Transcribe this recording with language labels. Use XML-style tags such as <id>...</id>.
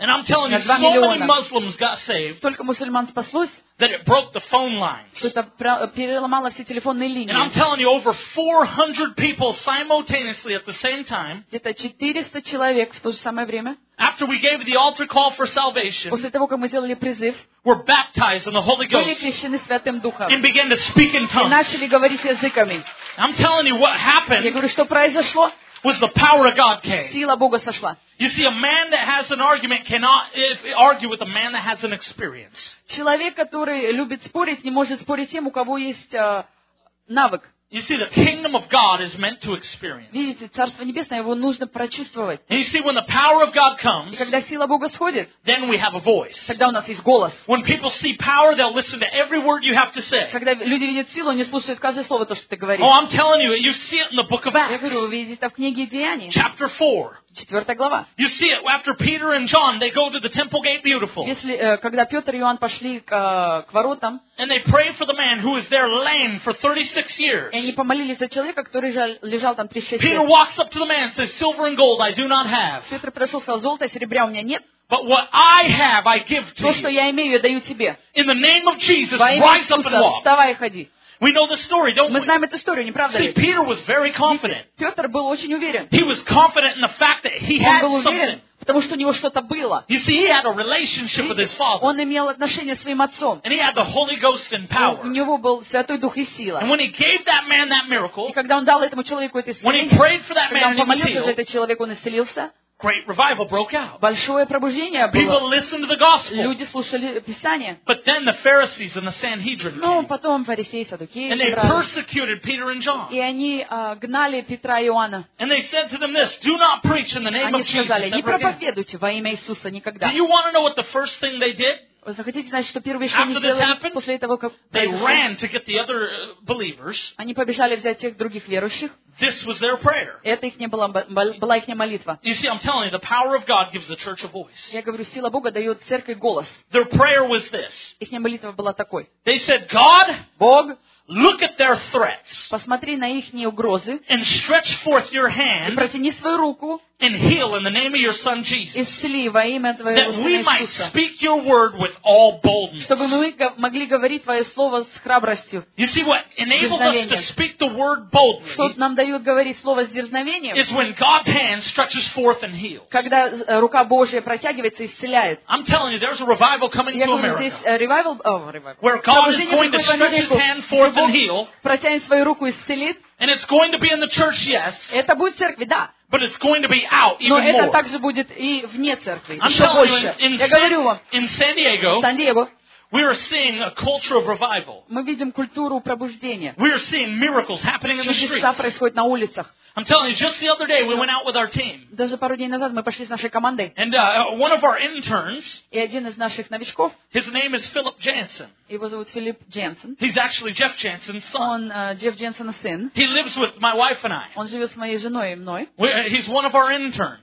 <en>And I'm telling you, so many Muslims got saved.</en> <ru>Только мусульман спаслось.</ru> <en>That it broke the phone lines.</en> <ru>Что-то переломало все телефонные линии.</ru> <en>And I'm telling you, over 400 people simultaneously at the same time.</en> <ru>Где-то 400 человек в то же самое время.</ru> <en>After we gave the altar call for salvation.</en> <ru>После того, как мы сделали призыв.</ru> <en>Were baptized in the Holy Ghost.</en> <ru>Были крещены Святым Духом.</ru> <en>And began to speak in tongues.</en> <ru>И начали говорить языками.</ru> <en>I'm telling you what happened.</en> <ru>Я говорю, что произошло.</ru> <en>Was the power of God came.</en> <ru>Сила Бога сошла.</ru> <en>You see, a man that has an argument cannot argue with a man that has an experience.</en> <ru>Человек, который любит спорить, не может спорить с тем, у кого есть навык.</ru> <en>You see, the kingdom of God is meant to experience.</en> <ru>Видите, царство небесное, его нужно прочувствовать.</ru> <en>And you see, when the power of God comes,</en> <ru>и когда сила Бога сходит,</ru> <en>then we have a voice.</en> <ru>Тогда у нас есть голос.</ru> <en>When people see power, they'll listen to every word you have to say.</en> <ru>Когда люди видят силу, они слушают каждое слово, то, что ты говоришь.</ru> <en>Oh, I'm telling you, you see it in the book of Acts.</en> <ru>Я говорю, вы видите это в книге Деяний.</ru> <en>Chapter 4.</en> <ru>Четвертая глава.</ru> <en>You see it after Peter and John, they go to the temple gate beautiful.</en> <ru>Если когда Петр и Иоанн пошли к воротам.</ru> <en>And they pray for the man who is there lame for 36 years.</en> <ru>И они помолились за человека, который лежал там 36 лет.</ru> <en>Peter walks up to the man and says, "Silver and gold I do not have."</en> <ru>Петр подошел, сказал, золото и серебра у меня нет.</ru> <en>But what I have, I give to you.</en> <ru>То, что я имею, я даю тебе.</ru> <en>In the name of Jesus, rise up and walk.</en> <ru>Вставай и ходи.</ru> <en>We know the story, don't we?</en> <ru>Мы знаем эту историю, не правда ли?</ru> <en>See, Peter was very confident.</en> <ru>Петр был очень уверен.</ru> <en>He was confident in the fact that he had something.</en> <ru>Потому что у него что-то было.</ru> <en>You see, he had a relationship with his father.</en> <ru>Он имел отношение с своим отцом.</ru> <en>And he had the Holy Ghost and power.</en> <ru>У него был Святой Дух и сила.</ru> <en>And when he gave that man that miracle,</en> <ru>и когда он дал этому человеку это исцеление,</ru> <en>when he prayed for that man,</en> <ru>когда он помолился за этот человек, он исцелился.</ru> <en>Great revival broke out.</en> <ru>Большое пробуждение было.</ru> <en>People listened to the gospel.</en> <ru>Люди слушали Писание.</ru> <en>But then the Pharisees and the Sanhedrin came.</en> <ru>Но потом фарисеи и садукеи.</ru> <en>And they persecuted Peter and John.</en> <ru>И они гнали Петра и Иоанна.</ru> <en>And they said to them this: Do not preach in the name of Jesus.</en> <ru>Они сказали: Не проповедуйте во имя Иисуса никогда.</ru> <en>Do you want to know what the first thing they did?</en> <ru>Вы захотите знать, что первое, что они сделали после того, как</ru> <en>they ran to get the other believers.</en> <ru>Они побежали взять тех других верующих.</ru> <en>This was their prayer.</en> <ru>Это их не была их молитва.</ru> <en>You see, I'm telling you, the power of God gives the church a voice.</en> <ru>Я говорю, сила Бога дает церкви голос.</ru> <en>Their prayer was this.</en> <ru>Их молитва была такой.</ru> <en>They said, God,</en> <ru>Бог,</ru> <en>look at their threats.</en> <ru>Посмотри на их угрозы.</ru> <en>And stretch forth your hand.</en> <ru>Протяни свою руку.</ru> <en>And heal in the name of your son Jesus.</en> <ru>Исцели во имя твоего сына Иисуса.</ru> <en>That we might speak your word with all boldness.</en> <ru>Чтобы мы могли говорить твое слово с храбростью.</ru> <en>You see what enabled us to speak the word boldly?</en> <ru>Что нам дает говорить слово с дерзновением?</ru> <en>Is when God's hand stretches forth and heals.</en> <ru>Когда рука Божья протягивается и исцеляет.</ru> <en>I'm telling you, there's a revival coming to America.</en> <ru>Я говорю, здесь</ru> <en>revival, revival. Where God is going to stretch His hand forth and heal.</en> <ru>Протянет свою руку и исцелит.</ru> <en>And it's going to be in the church, yes.</en> <ru>Это будет в церкви, да.</ru> <en>But it's going to be out even more.</en> <ru>Но это также будет и вне церкви.</ru> <en>I'm telling you, in San Diego, we are seeing a culture of revival.</en> <ru>Мы видим культуру пробуждения.</ru> <en>We are seeing miracles happening in the streets.</en> <ru>Чудеса происходят на улицах.</ru> <en>I'm telling you, just the other day we went out with our team.</en> <ru>Даже пару дней назад мы пошли с нашей командой.</ru> <en>And one of our interns.</en> <ru>И один из наших новичков.</ru> <en>His name is Philip Jansen.</en> <ru>Его зовут Филипп Джансен.</ru> <en>He's actually Jeff Jansen's son.</en> <ru>Он Джефф Джансен сын.</ru> <en>He lives with my wife and I.</en> <ru>Он живет с моей женой и мной.</ru> <en>He's one of our interns.</en>